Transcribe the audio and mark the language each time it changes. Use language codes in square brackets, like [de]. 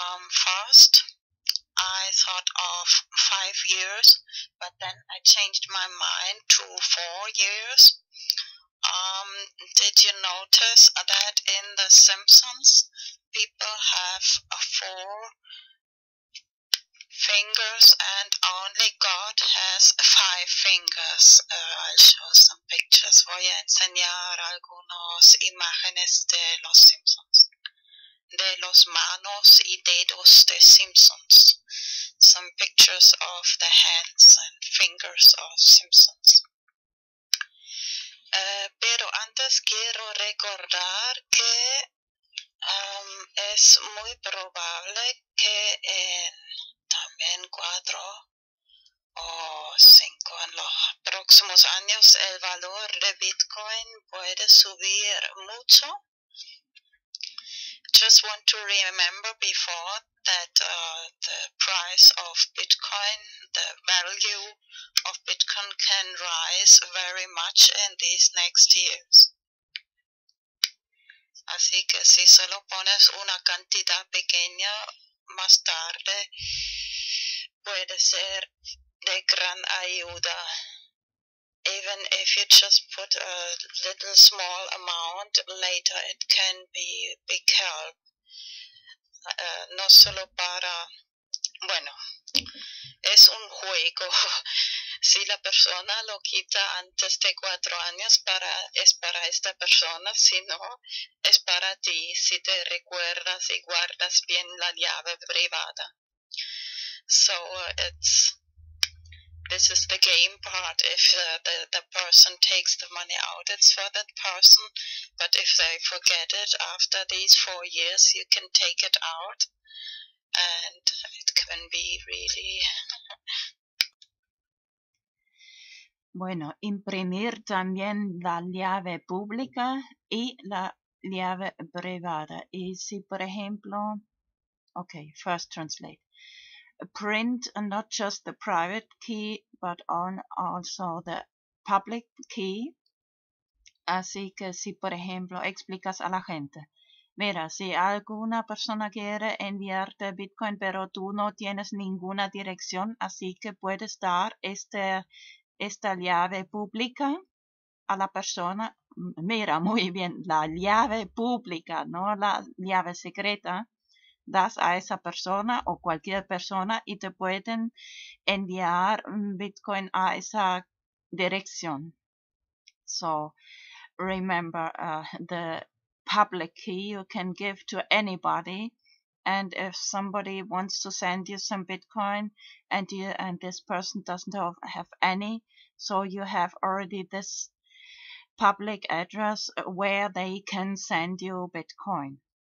[en] First, I thought of 5 years, but then I changed my mind to 4 years. Did you notice that in The Simpsons, people have 4 fingers and only God has 5 fingers. I'll show some pictures. [es] Voy a enseñar algunas imágenes de los Simpsons. De los manos y dedos de Simpsons. [en] Some pictures of the hands and fingers of Simpsons. [es] Pero antes quiero recordar que es muy probable que en también 4 o 5 en los próximos años el valor de Bitcoin puede subir mucho. [en] Just want to remember before that the price of Bitcoin, the value of Bitcoin can rise very much in these next years. [es] Así que si solo pones una cantidad pequeña más tarde, puede ser de gran ayuda. [en] Even if you just put a little small amount, later it can be big help. [es] No solo para, bueno, es un juego. Si la persona lo quita antes de 4 años, es para esta persona. Si no, es para ti, si te recuerdas y guardas bien la llave privada. [en] So this is the game part. If the person takes the money out, it's for that person. But if they forget it after these 4 years, you can take it out. And it can be really... [es] Bueno, imprimir también la llave pública y la llave privada. Y si, por ejemplo, [en] okay, first translate. Print not just the private key, but on also the public key. [es] Así que si, por ejemplo, explicas a la gente, mira, si alguna persona quiere enviarte Bitcoin, pero tú no tienes ninguna dirección, así que puedes dar esta llave pública a la persona. Mira, muy bien, la llave pública, no la llave secreta. Das a esa persona o cualquier persona y te pueden enviar Bitcoin a esa dirección. [en] So, remember, the public key you can give to anybody. And if somebody wants to send you some Bitcoin and you and this person doesn't have any, so you have already this public address where they can send you Bitcoin.